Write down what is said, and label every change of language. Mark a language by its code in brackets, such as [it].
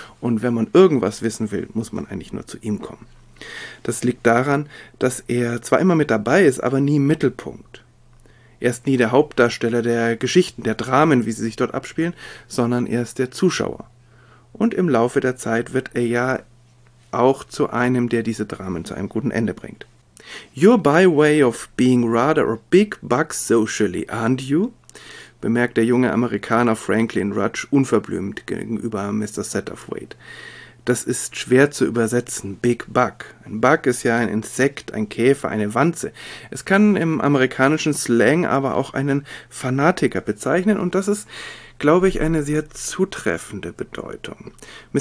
[de] Und wenn man irgendwas wissen will, muss man eigentlich nur zu ihm kommen. Das liegt daran, dass er zwar immer mit dabei ist, aber nie im Mittelpunkt. Er ist nie der Hauptdarsteller der Geschichten, der Dramen, wie sie sich dort abspielen, sondern er ist der Zuschauer. Und im Laufe der Zeit wird er ja auch zu einem, der diese Dramen zu einem guten Ende bringt. [en] You're by way of being rather a big buck socially, aren't you? [de] Bemerkt der junge Amerikaner Franklin Rudge unverblümt gegenüber Mr. Satterthwaite. Das ist schwer zu übersetzen, Big Bug. Ein Bug ist ja ein Insekt, ein Käfer, eine Wanze. Es kann im amerikanischen Slang aber auch einen Fanatiker bezeichnen und das ist, glaube ich, eine sehr zutreffende Bedeutung. Mr.